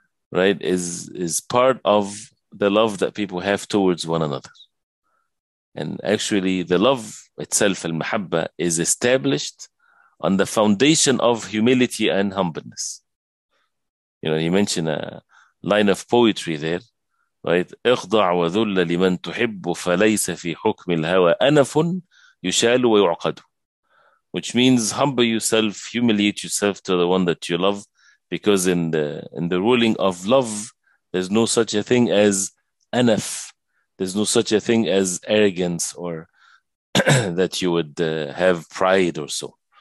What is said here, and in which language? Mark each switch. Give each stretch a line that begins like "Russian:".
English: right, is part of the love that people have towards one another. And actually, the love itself, al-mahabba, is established on the foundation of humility and humbleness. You know, he mentioned a line of poetry there, right?
Arabic: اخضع وذل لمن تحب فليس في حكم الهوى أنف يشال ويعقد.
English: Which means humble yourself, humiliate yourself to the one that you love, because in the ruling of love, there's no such a thing as anaf. There's no such a thing as arrogance, or that you would have pride or so.